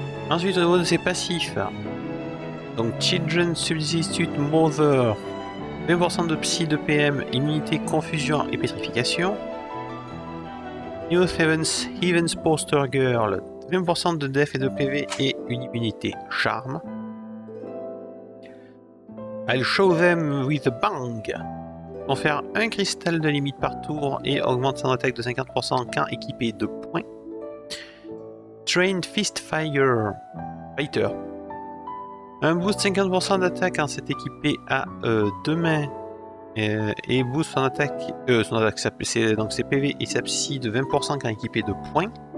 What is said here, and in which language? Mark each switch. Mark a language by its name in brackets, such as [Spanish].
[French] Ensuite au niveau de ses passifs. Donc Children Substitute Mother. 20% de psy de PM, immunité, confusion et pétrification. New Heaven's Poster Girl, 20% de def et de PV et une immunité charme. [English] I'll show them with a bang. [French] On fait un cristal de limite par tour et augmente son attaque de 50% en cas équipé de points. Trained Fist Fire Fighter. Un boost 50% d'attaque en s'est équipé à 2 mains et boost son attaque, ses PV et sa psy de 20% quand équipé de points.